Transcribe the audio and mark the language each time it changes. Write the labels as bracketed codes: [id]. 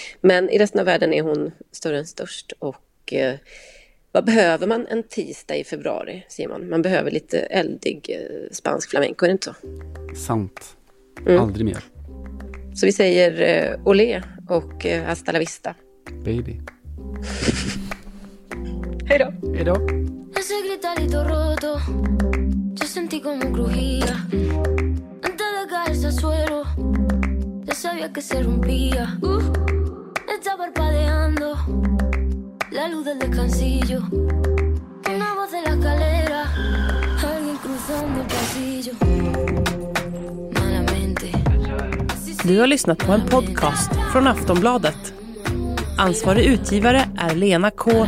[sv] Men i resten av världen är hon större än störst. Och vad behöver man en tisdag i februari, Simon? Man behöver lite eldig spansk flamenco, är det inte så? Sant. Aldrig mer. Så vi säger olé och [es] hasta la vista. [en] Baby. [sv] Hej då. Hej då. [es] Ese gritarito roto, yo sentí como crujía. Antes de caerse al suelo, ya sabía que se rompía. Está parpadeando la luz del descansillo. Una voz de la escalera, alguien cruzando el pasillo. Malamente. [sv] Du har lyssnat på en podcast från Aftonbladet. Ansvarig utgivare är Lena K.